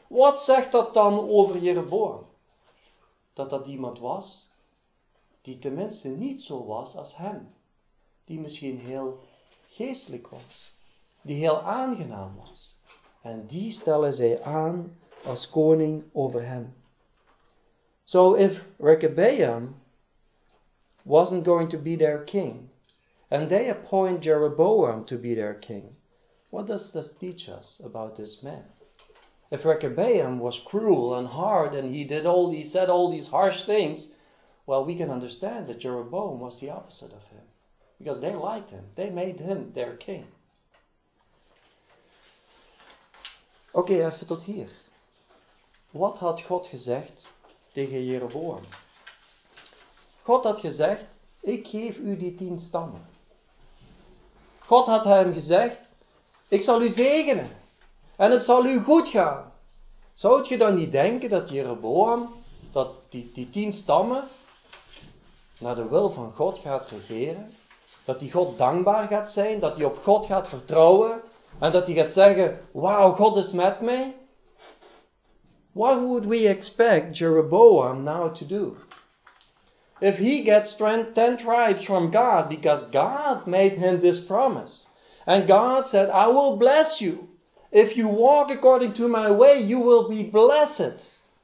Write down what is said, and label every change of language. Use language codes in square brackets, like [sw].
[nl] Wat zegt dat dan over Jeroboam? Dat iemand was, die tenminste niet zo was als hem. Die misschien heel geestelijk was. Die heel aangenaam was. En die stellen zij aan als koning over hem. [en] So if Rechabeam wasn't going to be their king, and they appoint Jeroboam to be their king, what does this teach us about this man? If Rechabeam was cruel and hard and he said all these harsh things, well, we can understand that Jeroboam was the opposite of him. Because they liked him. They made him their king. [nl] Oké, even tot hier. Wat had God gezegd tegen Jeroboam? God had gezegd, ik geef u die 10 stammen. God had hem gezegd, ik zal u zegenen. En het zal u goed gaan. Zou je dan niet denken dat Jeroboam, dat die 10 stammen, naar de wil van God gaat regeren? Dat die God dankbaar gaat zijn, dat die op God gaat vertrouwen? En dat hij gaat zeggen, wauw, God is met mij. [en] What would we expect Jeroboam now to do? If he gets 10 tribes from God, because God made him this promise. And God said, I will bless you. If you walk according to my way, you will be blessed.